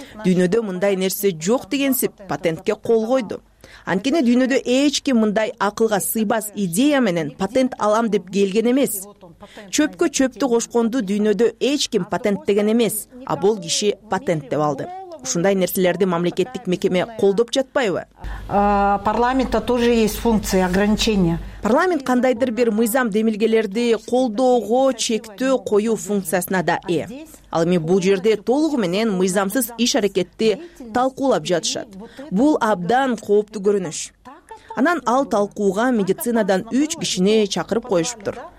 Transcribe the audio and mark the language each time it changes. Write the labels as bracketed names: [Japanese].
[Kyrgyz] Дүйнөдө мындай нерсе жок дегенсип патентке кол койду. Анткени дүйнөдө эч ким мындай акылга сыйбас идея менен патент алам деп келген эмес. Чөпкө чөптү кошконду дүйнөдө эч ким патент деген эмес, а бул киши патент деп алды. Ушундай нерселерди мамлекеттик мекеме колдоп жатпайбы? [Russian] Парламентте тоже есть функция ограничения. [Kyrgyz] Парламент кандайдыр бир мыйзам демилгелерди колдоого чектөө коюу функциясына да ээ. Ал эми бул жерде толугу менен мыйзамсыз иш аракетти талкуулап жатышат. Бул абдан кооптуу көрүнүш. Анан ал талкууга медицинадан 3 кишини чакырып коюшуптур.